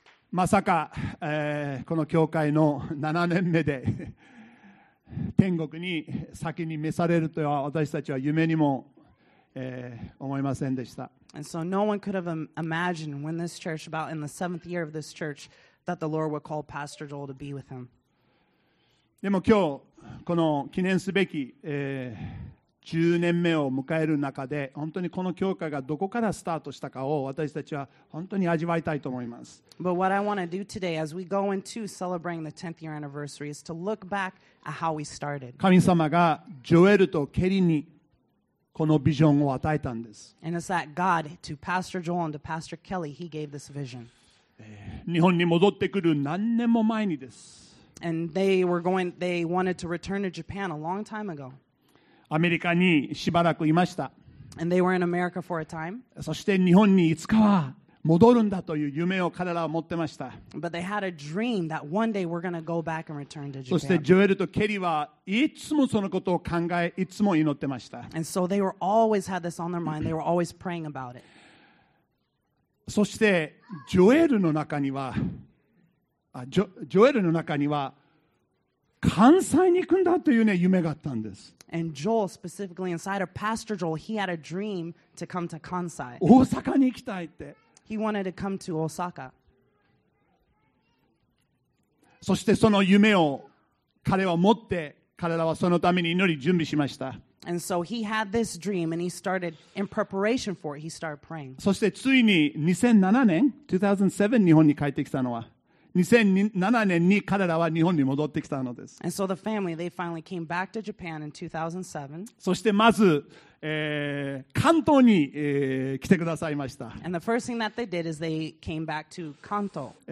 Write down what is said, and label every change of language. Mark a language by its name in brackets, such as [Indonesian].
[Japanese] まさか、この教会の7年目で天国に先に召されるとは私たちは夢にも、思いませんでした。 [English] And so no one could have imagined when this church, about in the seventh year of this church, that the Lord would call Pastor Joel to be with him. [Japanese] でも今日この記念すべき、10年目を迎える中で本当にこの教会がどこからスタートしたかを私たちは本当に味わいたいと思います。 [English] But what I want to do today as we go into celebrating the 10th year anniversary is to look back at how we started. [Japanese] 神様がジョエルとケリーにこのビジョンを与えたんです。 [English] And it's that God to Pastor Joel and to Pastor Kelly, he gave this vision. [Japanese] 日本に戻ってくる何年も前にです。 [English] And they wanted to return to Japan a long time ago. [Japanese] アメリカにしばらくいました。 [English] And they were in America for a time. [Japanese] そして日本にいつかは戻るんだという夢を彼らは持ってました。 [English] But they had a dream that one day we're going to go back and return to Japan. [Japanese] そしてジョエルとケリーはいつもそのことを考え、いつも祈ってました。 [English] And so they were always had this on their mind. They were always praying about it. [Japanese] そしてジョエルの中には、ジョエルの中には関西に行くんだというね夢があったんです。 [English] And Joel specifically inside of Pastor Joel, he had a dream to come to Kansai. [Japanese] 大阪に行きたいって。 [English] He wanted to come to Osaka. [Japanese] そしてその夢を彼は持って、彼らはそのために祈り準備しました。 [English] And so he had this dream, and he started in preparation for it. He started praying. [Japanese] そしてついに2007年、日本に帰ってきたのは。 2007年に彼らは日本に戻ってきたのです。 [English] And so the family, they finally came back to Japan in 2007. [Japanese] そしてまず、関東に、来てくださいました。 [English] And the first thing that they did is they came back to Kanto.